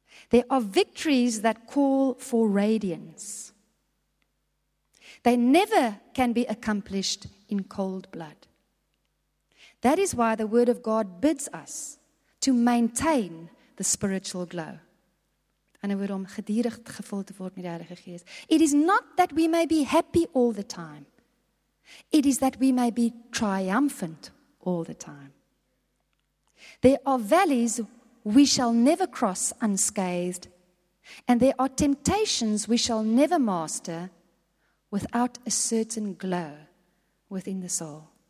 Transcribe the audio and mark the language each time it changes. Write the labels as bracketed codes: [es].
[en] There are victories that call for radiance. They never can be accomplished in cold blood. That is why the word of God bids us to maintain the spiritual glow. [af] En dit word om gedurig gevul te word met die Heilige Gees. [en] It is not that we may be happy all the time. It is that we may be triumphant all the time. There are valleys we shall never cross unscathed, and there are temptations we shall never master without a certain glow within the soul.